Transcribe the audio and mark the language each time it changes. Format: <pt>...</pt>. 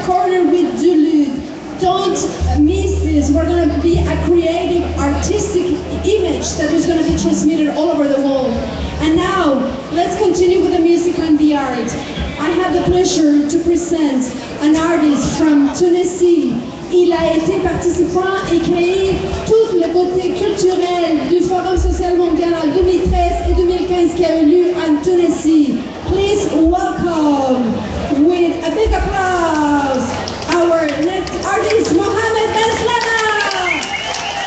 <en>this means is we're going to be a creative, artistic image that is going to be transmitted all over the world. And now, let's continue with the music and the art. I have the pleasure to present an artist from Tunisia.</en> <fr>Il a été participant et créé toutes les beautés culturelles du Forum Social Mondial en 2013 et 2015 qui a eu lieu en Tunisie.</fr> <en>Please welcome, with a big applause, our next artist, Mohamed Benslana.</en>